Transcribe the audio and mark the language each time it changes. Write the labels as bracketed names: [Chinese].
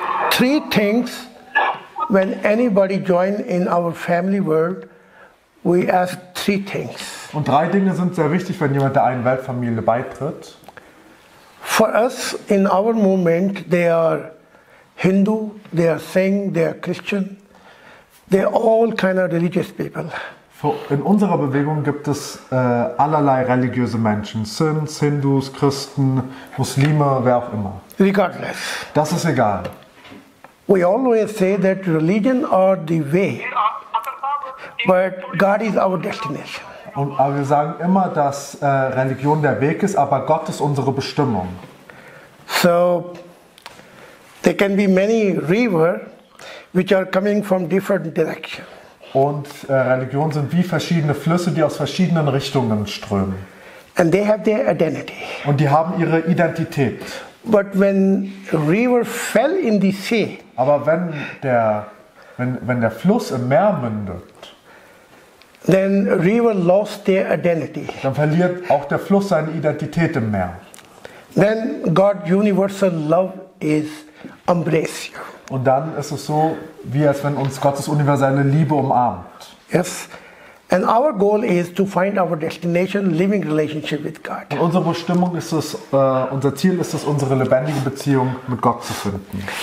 [English] Three things when anybody join in our family world. We ask three things. [German] Und drei Dinge sind sehr wichtig, wenn jemand der einen Weltfamilie beitritt. [English] For us in our movement, they are Hindu, they are Sikh, they are Christian, they are all kind of religious people. [German] In unserer Bewegung gibt es allerlei religiöse Menschen: Sikhs, Hindus, Christen, Muslime, wer auch immer. [English] Regardless. [German] Das ist egal. [English] We always say that religion are the way. But God is our destination. [German] Und aber wir sagen immer, dass Religion der Weg ist, aber Gott ist unsere Bestimmung. [English] So, there can be many river which are coming from different direction. [German] Und Religion sind wie verschiedene Flüsse, die aus verschiedenen Richtungen strömen. [English] And they have their identity. [German] Und die haben ihre Identität. [English] But when river fell in the sea. [German] Aber wenn der Fluss im Meer mündet. [English] Then river lost their identity. [German] Dann verliert auch der Fluss seine Identität im Meer. [English] Then God universal love is embrace you. [German] Und dann ist es so, wie als wenn uns Gottes universelle Liebe umarmt. [English] Yes. And our goal is to find our destination, living relationship with God. [German] Und unsere Bestimmung ist es, unser Ziel ist es, unsere lebendige Beziehung mit Gott zu finden.